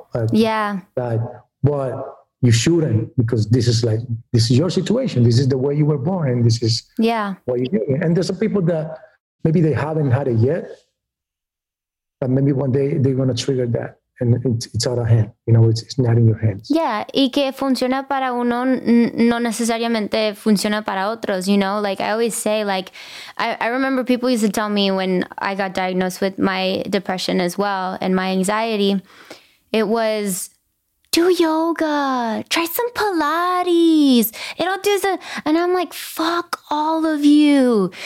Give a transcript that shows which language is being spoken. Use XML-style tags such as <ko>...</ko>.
<en>But yeah. Like, but you shouldn't, because this is like, this is your situation. This is the way you were born. And this is yeah what you're doing. And there's some people that maybe they haven't had it yet, but maybe one day they're going to trigger that. And it's out of hand. You know, it's not in your hands. Yeah.</en> <es>Y que funciona para uno, no necesariamente funciona para otros.</es> <en>You know, like I always say, like, I remember people used to tell me when I got diagnosed with my depression as well and my anxiety, it was, do yoga, try some Pilates. It'll do the, and I'm like, fuck all of you.</en>